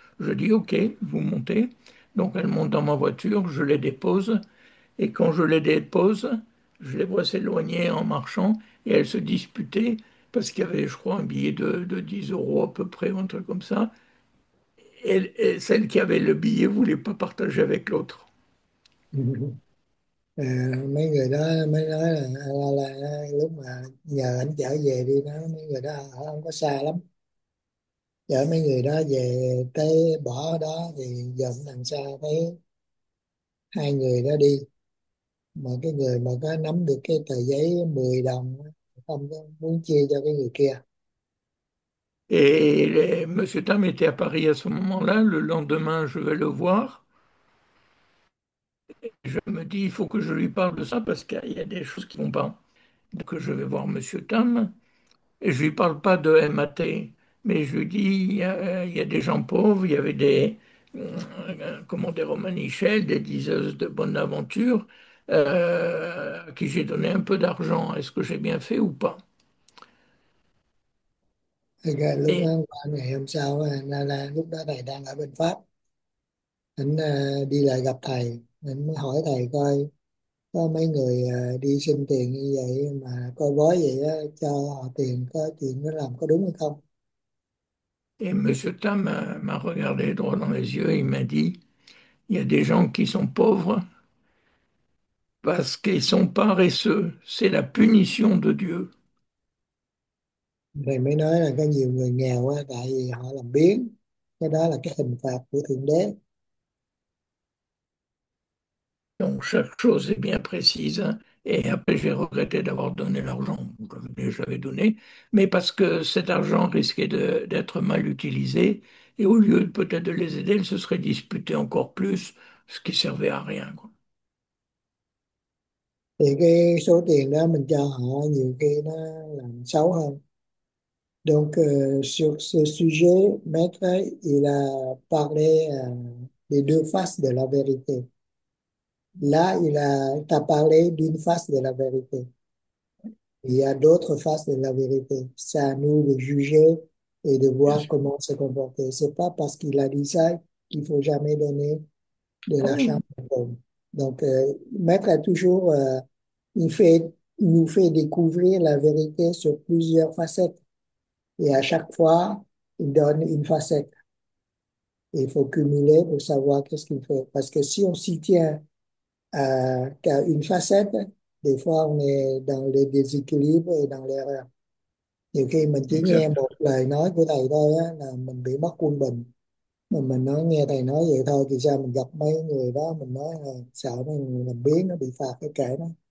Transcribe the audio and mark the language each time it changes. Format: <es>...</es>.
<fr>Je dis, ok, vous montez. Donc elle monte dans ma voiture, je les dépose. Et quand je les dépose, je les vois s'éloigner en marchant et elles se disputaient parce qu'il y avait, je crois, un billet de 10 euros à peu près, un truc comme ça. Et celle qui avait le billet voulait pas partager avec l'autre.</fr> <vi>Mấy người đó mới nói là lúc mà nhờ anh chở về đi, nó mấy người đó họ không có xa lắm, chở mấy người đó về tới bỏ đó thì dọn đằng xa thấy hai người đó đi mà cái người mà có nắm được cái tờ giấy 10 đồng không có muốn chia cho cái người kia.</vi> <fr>Et Monsieur Tam était à Paris à ce moment-là. Le lendemain, je vais le voir. Et je me dis, il faut que je lui parle de ça parce qu'il y a des choses qui ne vont pas. Donc, je vais voir Monsieur Tam. Et je ne lui parle pas de MAT, mais je lui dis, il y a des gens pauvres, il y avait comment des Romanichels, des diseuses de bonne aventure, à qui j'ai donné un peu d'argent. Est-ce que j'ai bien fait ou pas?</fr> <vi>Thì lúc đó ngày hôm sau là lúc đó thầy đang ở bên Pháp, anh đi lại gặp thầy, anh mới hỏi thầy coi có mấy người đi xin tiền như vậy mà coi bói vậy đó, cho họ tiền có chuyện nó làm có đúng hay không.</vi> <fr>Et Monsieur Tam m'a regardé droit dans les yeux et il m'a dit, il y a des gens qui sont pauvres parce qu'ils sont paresseux, c'est la punition de Dieu.</fr> <vi>Mày mới nói là có nhiều người nghèo á, tại vì họ làm biếng, cái đó là cái hình phạt của Thượng Đế.</vi> <fr>Donc chaque chose est bien précise, hein? Et après j'ai regretté d'avoir donné l'argent que j'avais donné, mais parce que cet argent risquait d'être mal utilisé, et au lieu peut-être de les aider, ils se seraient disputés encore plus, ce qui servait à rien, quoi.</fr> <vi>Thì cái số tiền đó mình cho họ nhiều khi nó làm xấu hơn.</vi> <fr>Donc, sur ce sujet, Maître, il a parlé des deux faces de la vérité. Là, il a parlé d'une face de la vérité. Il y a d'autres faces de la vérité. C'est à nous de juger et de Bien voir sûr. comment se comporter. Ce n'est pas parce qu'il a dit ça qu'il ne faut jamais donner de Ah l'argent oui. aux pauvres. Donc, Maître a toujours, il nous fait découvrir la vérité sur plusieurs facettes. Et à chaque fois, il donne une facette. Il faut cumuler pour savoir qu'est-ce qu'il fait. Parce que si on s'y tient qu'à une facette, des fois on est dans le déséquilibre et dans l'erreur.</fr> <vi>Et khi mình chỉ nghe</vi> <fr>Exactement.</fr> <vi>một lời nói của thầy thôi á, là mình bị mất quân bình. Mà mình nói nghe thầy nói vậy thôi thì sao mình gặp mấy người đó mình nói là sợ mấy người làm biếng nó bị phạt cái kệ nó.</vi>